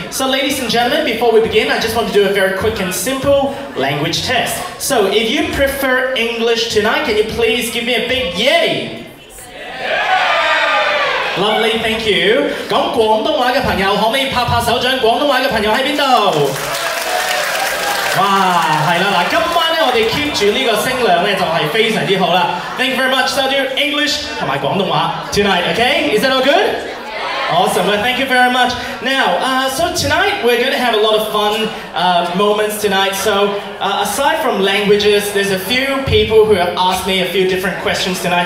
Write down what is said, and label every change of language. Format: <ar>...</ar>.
<en>So ladies and gentlemen, before we begin, I just want to do a very quick and simple language test. So if you prefer English tonight, can you please give me a big yay? Lovely, thank you.</en> <zh>廣東話的朋友,可不可以拍拍手掌,廣東話的朋友在哪裡? 哇,是啦,今晚我們保持這個聲量就是非常好了。</zh> <en>Thank you very much, so do English</en> <zh>和廣東話</zh> <en>tonight, okay? Is that all good? Awesome, well, thank you very much. Now, so tonight we're going to have a lot of fun moments tonight. So aside from languages, there's a few people who have asked me a few different questions tonight.</en>